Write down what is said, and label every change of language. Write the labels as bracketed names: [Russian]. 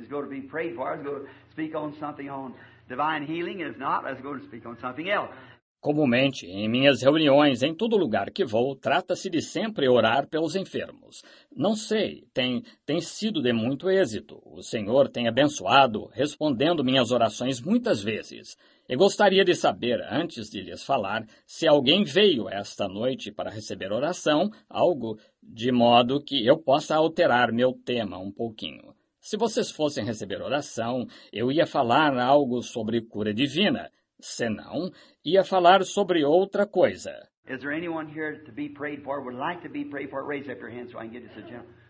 [English] Is going to be prayed for? I was going to speak on something on divine healing. If not, I was going to speak on something else. [Portuguese] Comumente, em minhas reuniões, em todo lugar que vou, trata-se de sempre orar pelos enfermos. Não sei, tem sido de muito êxito. O Senhor tem abençoado, respondendo minhas orações muitas vezes. E gostaria de saber, antes de lhes falar, se alguém veio esta noite para receber oração, algo de modo que eu possa alterar meu tema um pouquinho. Se vocês fossem receber oração, eu ia falar algo sobre cura divina. Senão, ia falar sobre outra coisa. [English] Is there anyone here to be prayed for, would like to be prayed for? Raise up your hand so I can get you a gentle.